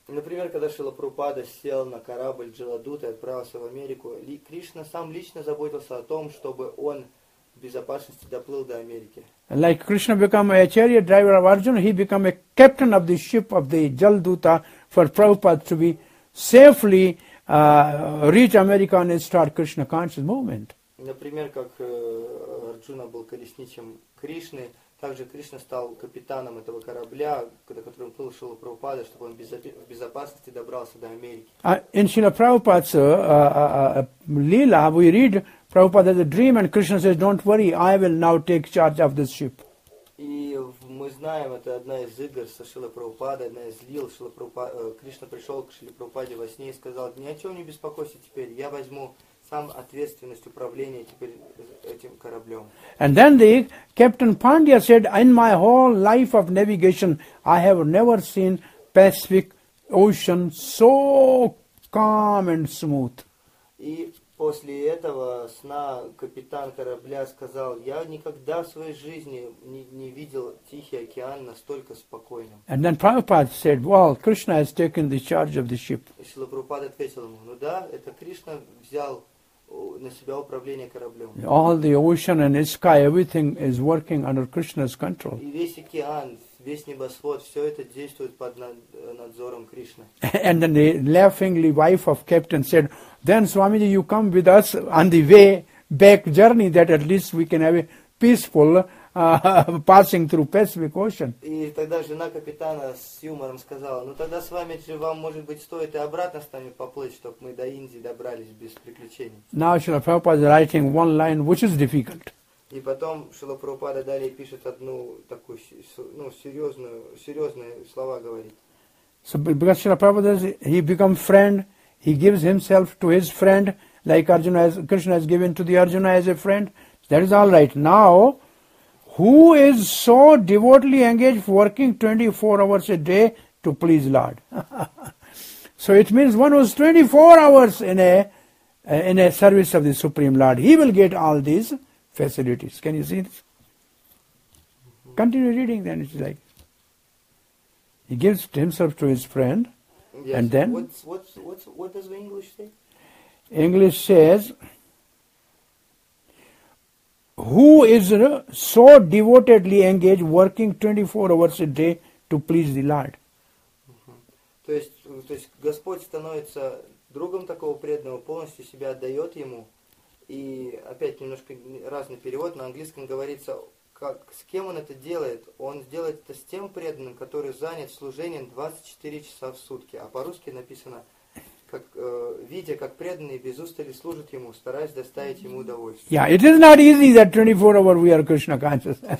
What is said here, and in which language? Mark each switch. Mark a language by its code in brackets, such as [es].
[ru] Например, когда Шрила Прабхупада сел на корабль Джаладута и отправился в Америку, Кришна сам лично заботился о том, чтобы он в безопасности доплыл до Америки. [en] Like Krishna became a chariot driver of Arjuna, he became a captain of the ship of the Jalduta for Prabhupada to be safely reach America and start Krishna conscious movement. [ru] Например, как Арджуна был колесничем Кришны, также Кришна стал капитаном этого корабля, на котором плыл Шрила Прабхупада, чтобы он в безопасности добрался до Америки. [en] In Srila Prabhupada's Leela, we read Prabhupada has a dream and Krishna says, don't worry, I will now take charge of this ship. [ru] И мы знаем, это одна из игр со Шрила Прабхупада, одна из лил. Кришна пришел к Шриле Прабхупаде во сне и сказал, ни о чем не беспокойся теперь, я возьму сам ответственность управления теперь этим кораблем. [en] And then the Captain Pandya said, in my whole life of navigation, I have never seen Pacific Ocean so calm and smooth. [ru] И после этого сна капитан корабля сказал, я никогда в своей жизни не видел Тихий океан настолько спокойным. [en] And then Prabhupada said, well, Krishna has taken the charge of the ship. [ru] И Шрила Прабхупада ответил ему, ну да, это Кришна взял на себя управление кораблем. [en] All the ocean and its sky, everything is working under Krishna's control. [ru] И весь океан, весь небосвод, все это действует под надзором Кришны. [en] And then the laughingly wife of captain said, then Swamiji, you come with us on the way back journey that at least we can have a peaceful passing through Pacific Ocean. [ru] И тогда жена капитана с юмором сказала, ну тогда Свамиджи, вам, может быть, стоит и обратно с нами поплыть, чтобы мы до Индии добрались без приключений. [en] Now Srila Prabhupada is writing one line, which is difficult. [ru] И потом Шрила Прабхупада далее пишет одну такую, ну, серьезные слова говорит. [en] So because Srila Prabhupada, he become friend, he gives himself to his friend, like Arjuna, as Krishna has given to the Arjuna as a friend, that is all right. Now, who is so devotedly engaged working 24 hours a day to please Lord? So it means one who is 24 hours in a service of the Supreme Lord, he will get all these facilities. Can you see this? Continue reading then, it's like, he gives himself to his friend, yes. And then? What does the English say? English says, who is so devotedly engaged working 24 hours a day to please the Lord? [ru] То есть Господь становится другом такого преданного, полностью себя отдает ему. И опять немножко разный перевод, на английском говорится, как, с кем он это делает? Он делает это с тем преданным, который занят служением 24 часа в сутки. А по-русски написано, как, видя, как преданные без устали служат ему, стараясь доставить ему удовольствие. [en] Yeah, it is not easy that 24 hours we are Krishna conscious.